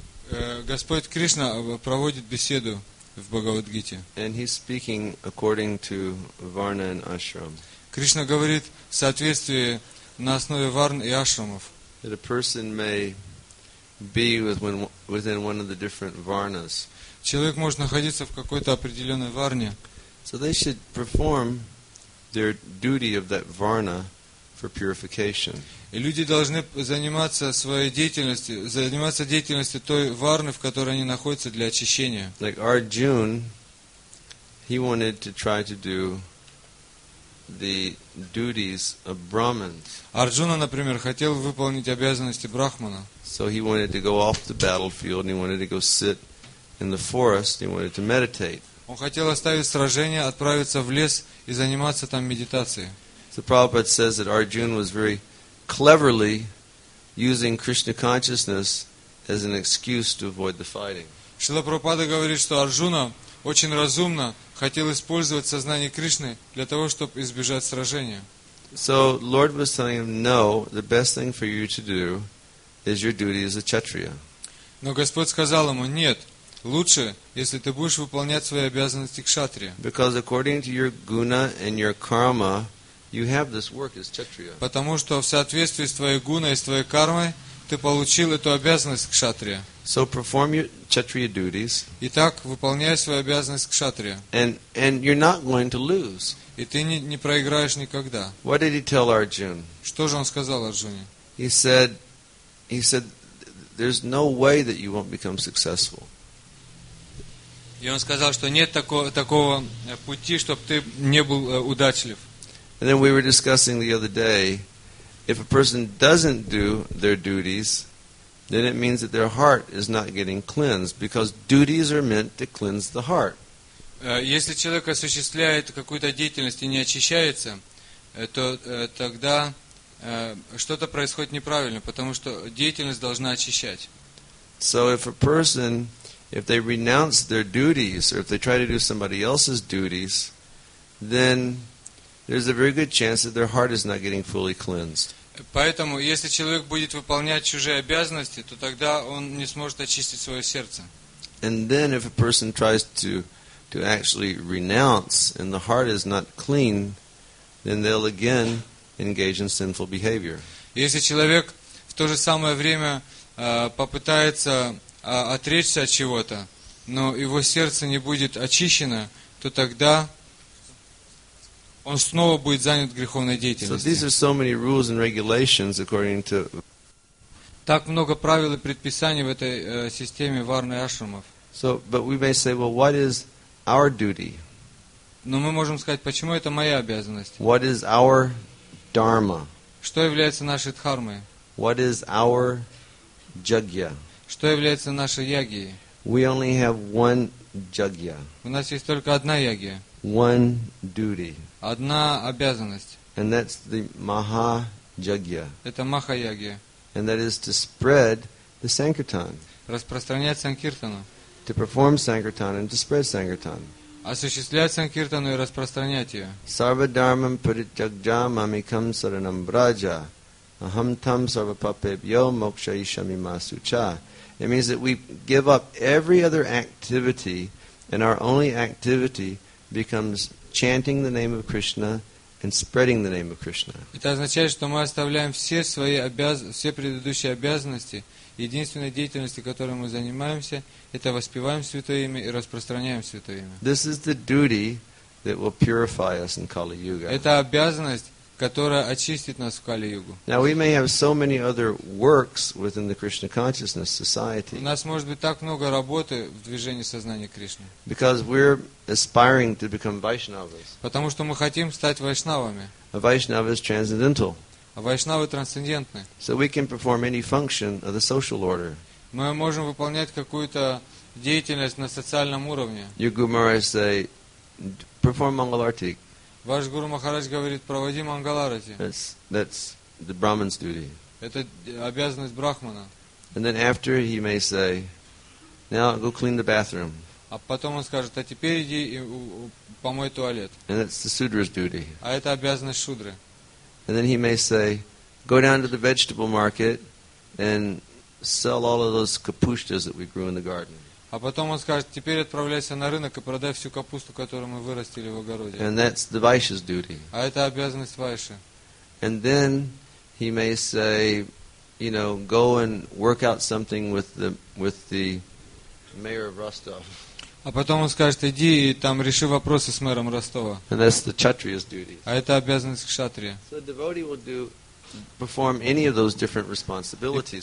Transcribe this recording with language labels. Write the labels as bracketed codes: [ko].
[ru] Господь Кришна проводит беседу в Бхагавад-гите. [en] And he's speaking according to Varna and Ashram. [ru] Кришна говорит в соответствии на основе варн и ашрамов. [en] That a person may be within one of the different varnas. [ru] Человек может находиться в какой-то определенной варне. [en] So they should perform their duty of that varna for purification. [ru] И люди должны заниматься своей деятельностью, заниматься деятельностью той варны, в которой они находятся для очищения. [en] Like Arjun, he wanted to try to do the duties of Brahmins. [ru] Арджуна, например, хотел выполнить обязанности брахмана. [en] So he wanted to go off the battlefield, and he wanted to go sit in the forest, and he wanted to meditate. [ru] Он хотел оставить сражение, отправиться в лес и заниматься там медитацией. [en] So Prabhupada says that Arjuna was very cleverly using Krishna consciousness as an excuse to avoid the fighting. [ru] Шрила Прабхупада говорит, что Арджуна очень разумно хотел использовать сознание Кришны для того, чтобы избежать сражения. [en] So Lord was telling him, no, the best thing for you to do is your duty as a kshatriya. [ru] Но Господь сказал ему, нет, лучше, если ты будешь выполнять свои обязанности кшатрия. [en] Because according to your guna and your karma, you have this work as kshatriya. [ru] Потому что в соответствии с твоей гуной и с твоей кармой ты получил эту обязанность кшатрия. [en] So perform your kshatriya duties. [ru] Итак, выполняй свою обязанность кшатрия. [en] And you're not going to lose. [ru] И ты не проиграешь никогда. [en] What did he tell Arjuna? [ru] Что же он сказал Арджуне? [en] He said, there's no way that you won't become successful. [ru] И он сказал, что нет такого пути, чтобы ты не был удачлив. [en] And then we were discussing the other day, if a person doesn't do their duties, then it means that their heart is not getting cleansed, because duties are meant to cleanse the heart. [ru] Если человек осуществляет какую-то деятельность и не очищается, то тогда что-то происходит неправильно, потому что деятельность должна очищать. [en] So if a person, if they renounce their duties, or if they try to do somebody else's duties, then there's a very good chance that their heart is not getting fully cleansed. [ru] Поэтому, если человек будет выполнять чужие обязанности, то тогда он не сможет очистить свое сердце. [en] And then if a person tries to actually renounce and the heart is not clean, then they'll again engage in sinful behavior. [ru] Если человек в то же самое время попытается отречься от чего-то, но его сердце не будет очищено, то тогда он снова будет занят греховной деятельностью. [en] So these are so many rules and regulations according to... [ru] Так много правил и предписаний в этой системе варны и ашрамов. [en] So, but we may say, well, what is our duty? [ru] Но мы можем сказать, почему это моя обязанность? [en] What is our dharma? [ru] Что является нашей дхармой? [en] What is our jagya? [ru] Что является нашей ягьей? [en] We only have one jagya. [ru] У нас есть только одна ягья. [en] One duty. [ru] Одна обязанность. [en] And that's the Mahajagya. [ru] Это Махаягья. [en] And that is to spread the Sankirtan. [ru] Распространять Санкиртану. [en] To perform Sankirtan and to spread Sankirtan. [ru] Осуществлять Санкиртану и распространять ее. [sa] Sarva dharmam parityajam amikam saranam braja. Aham tam sarva papebhyo moksha ishami masucha. [en] It means that we give up every other activity and our only activity becomes chanting the name of Krishna and spreading the name of Krishna. [ru] Это означает, что мы оставляем все свои все предыдущие обязанности. Единственной деятельностью, которой мы занимаемся, это воспеваем святое имя и распространяем святое имя. [en] This is the duty that will purify us in Kali Yuga. [ru] Это обязанность, которая очистит нас в Кали-югу. [en] Now we may have so many other works within the Krishna consciousness society. [ru] У нас может быть так много работы в движении сознания Кришны. [en] Because we're aspiring to become Vaishnavas. [ru] Потому что мы хотим стать вайшнавами. [en] A Vaishnava is transcendental. [ru] А вайшнавы трансцендентны. [en] So we can perform any function of the social order. [ru] Мы можем выполнять какую-то деятельность на социальном уровне. [en] Your Guru Maharaj say, perform Mangal Arti. [ru] Ваш Гуру Махарадж говорит, проводи Мангал Арати. [en] That's the Brahman's duty. [ru] Это обязанность Брахмана. [en] And then after he may say, now go clean the bathroom. [ru] А потом он скажет, а теперь иди и помой туалет. [en] And that's the Sudra's duty. [ru] А это обязанность Шудры. [en] And then he may say, go down to the vegetable market and sell all of those kapustas that we grew in the garden. [ru] А потом он скажет, теперь отправляйся на рынок и продай всю капусту, которую мы вырастили в огороде. [en] And that's the Vaishya's duty. [ru] А это обязанность Вайши. [en] And then he may say, you know, go and work out something with the mayor of Rostov. [ru] А потом он скажет, иди и там реши вопросы с мэром Ростова. [en] And that's the Kshatriya's duty. [ru] А это обязанность Кшатрия. [en] So the devotee will do perform any of those different responsibilities.